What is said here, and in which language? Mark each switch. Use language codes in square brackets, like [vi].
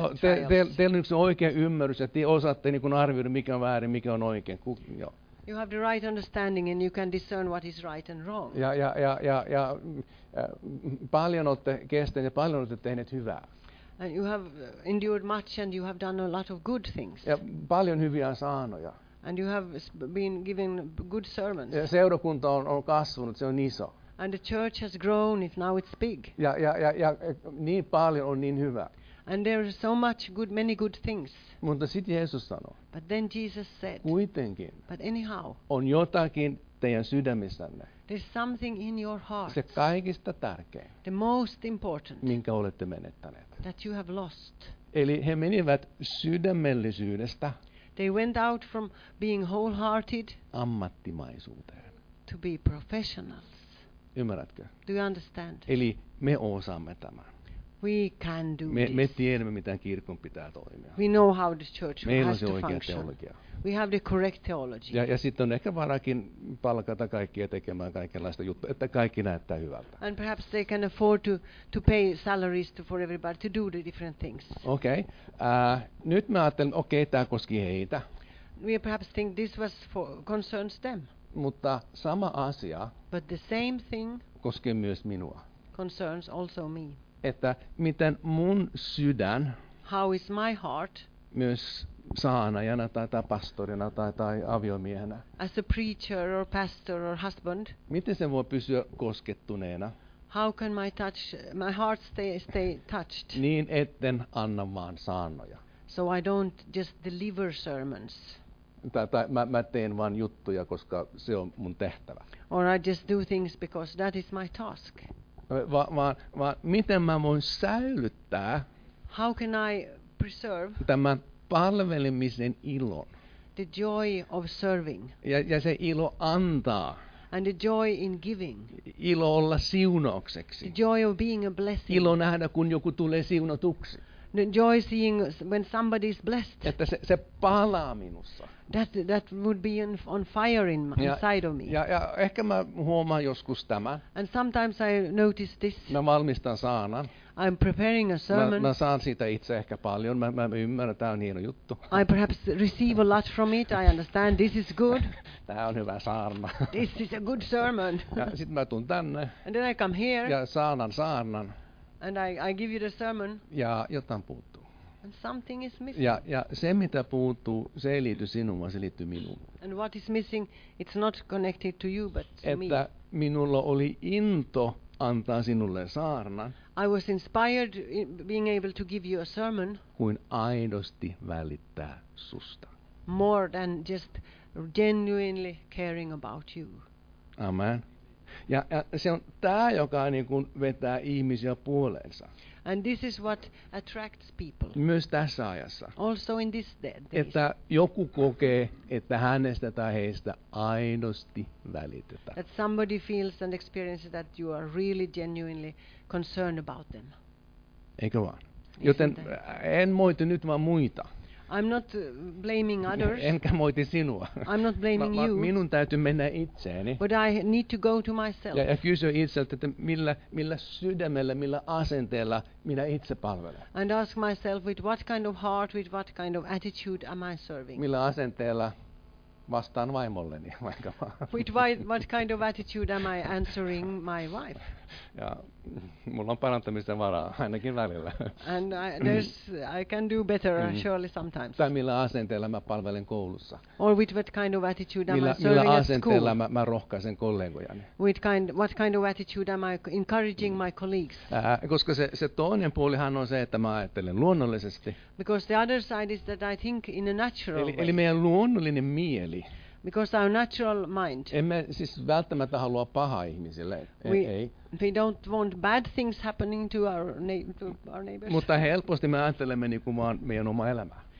[fi] Joo, teillä on yksi oikea ymmärrys, että te osaatte niin kuin arvioida, mikä on väärin, mikä on oikein. [en] You have the right understanding and you can discern what is right and wrong. [fi] Ja paljon olette kestäneet ja paljon olette tehneet hyvää. [en] And you have endured much and you have done a lot of good things. [fi] Ja paljon hyviä saanoja. [en] And you have been given good sermons. [fi] Ja seurakunta on kasvanut, se on iso. [en] And the church has grown, if now it's big. [fi] Ja niin paljon on niin hyvä. [en] And there is so much good, many good things. [fi] Mutta sitten Jeesus sanoo. [en] But then Jesus said. [fi] Kuitenkin. [en] But anyhow. [fi] On jotakin teidän sydämissänne. [en] There's something in your heart. [fi] Se kaikista tärkein. [en] The most important. [fi] Minkä olette menettäneet. [en] That you have lost. [fi] Eli he menivät sydämellisyydestä. [en] They went out from being wholehearted. [fi] Ammattimaisuuteen. [en] To be professionals. [fi] Ymmärrätkö? [en] Do you understand? [fi] Eli me osaamme tämän. [en] We can do [fi] me, [en] this. [fi] Me tiedämme, miten kirkon pitää toimia. [en] We know how the church [fi] meillä [en] has to function. [fi] Meillä on se oikea teologia. [en] We have the correct theology. [fi] Ja sitten on ehkä varakin palkata kaikkia tekemään kaikenlaista juttuja, että kaikki näyttää hyvältä. [en] And perhaps they can afford to pay salaries for everybody to do the different things. Okei. Okay. [fi] Nyt mä ajattelin, okei, tämä koski heitä. [en] We perhaps think this was for concerns them. [fi] Mutta sama asia. [en] But the same thing. [fi] Koskee myös minua. [en] Concerns also me. [fi] Että miten mun sydän. [en] How is my heart? [fi] Myös saanajana tai pastorina tai aviomiehenä. [en] As a preacher or pastor or husband. [fi] Miten se voi pysyä koskettuneena? [en] How can my heart stay touched? [fi] Niin etten anna vaan saanoja. [en] So I don't just deliver sermons. [fi] Tai mä teen vaan juttuja, koska se on mun tehtävä. [en] Or I just do things because that is my task. [fi] Vaan miten mä voin säilyttää? [en] How can I preserve? [fi] Tämän palvelemisen ilon. [en] The joy of serving. [fi] Ja se ilo antaa. [en] And the joy in giving. [fi] Ilo olla siunaukseksi. [en] The joy of being a blessing. [fi] Ilo nähdä, kun joku tulee siunatuksi. [en] The joy seeing when somebody is blessed. [fi] Että se palaa minussa. [en] That would be on fire inside of me. [fi] Ja ehkä mä huomaan joskus tämän. [en] And sometimes I notice this. [fi] Mä valmistan saanan. [en] I'm preparing a sermon. [fi] Mä saan siitä itse ehkä paljon. Mä ymmärrän, tää on hieno juttu. [en] I perhaps receive a lot from it. I understand this is good. [fi] Tää on hyvä saarna. [en] This is a good sermon. [fi] Ja sit mä tuun tänne. [en] And then I come here. [fi] Ja saarnan. [en] And I give you the sermon. [fi] Ja jotain puuttuu. [en] And something is missing. [fi] Ja se mitä puuttuu, se ei liity sinuun, vaan se liittyy minuun. [en] And what is missing, it's not connected to you, but to [fi] me. Että minulla oli into antaa sinulle saarnan. [en] I was inspired in being able to give you a sermon. [fi] Kuin aidosti välittää susta. [en] More than just genuinely caring about you. Amen. [fi] Ja se on tämä, joka niin kuin vetää ihmisiä puoleensa. [en] And this is what attracts people. [fi] Myös tässä ajassa. [en] Also in this day. [fi] Että joku kokee, että hänestä tai heistä aidosti välitetään. [en] That somebody feels and experiences that you are really genuinely concerned about them. [fi] Eikö vaan? Joten en moiti nyt vaan muita. [en] I'm not blaming others. [fi] Enkä moiti sinua. [en] I'm not blaming you. [fi] Minun täytyy mennä itseeni. [en] But I need to go to myself. [fi] Ja kysyä itseltä, että millä sydämellä, millä asenteella minä itse palvelen. [en] And ask myself with what kind of heart, with what kind of attitude am I serving? [fi] Millä asenteella vastaan vaimolleni vaikka. [en] With what kind of attitude am I answering my wife? [fi] Ja mulla on parantamisen varaa ainakin välillä. [en] And I can do better surely sometimes. [fi] Tai millä asenteella mä palvelen koulussa? [en] Or with what kind of attitude am I serving at school? [fi] Millä asenteella mä rohkaisen kollegojani? [en] With what kind of attitude am I encouraging my colleagues? [fi] Koska se toinen puolihan on se, että mä ajattelen luonnollisesti. [en] Because the other side is that I think in a natural way. [fi] Eli meidän luonnollinen mieli. [en] Because our natural mind. [fi] Emme siis välttämättä halua pahaa ihmisille. [en] We don't want bad things happening to our neighbors. [fi] Mutta helposti me ajattelemme niin kuin vaan meidän oma elämää.